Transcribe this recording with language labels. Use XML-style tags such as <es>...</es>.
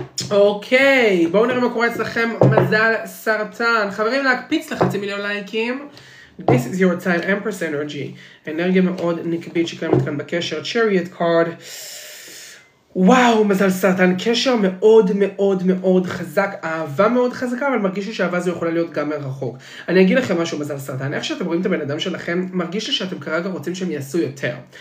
<he>אוקיי, בואו נראה מה קורה אצלכם, מזל סרטן. חברים, להקפיץ לחצי מיליון לייקים.</he> <en>This is your time, Empress Energy.</en> <he>אנרגיה מאוד נקבית שקיימת כאן בקשר. Chariot card. וואו, מזל סרטן. קשר מאוד מאוד מאוד חזק. אהבה מאוד חזקה, אבל מרגיש לי שאהבה זו יכולה להיות גם מרחוק. אני אגיד לכם משהו, מזל סרטן. איך שאתם רואים את הבן אדם שלכם, מרגיש לי שאתם כרגע רוצים שהם יעשו יותר.</he>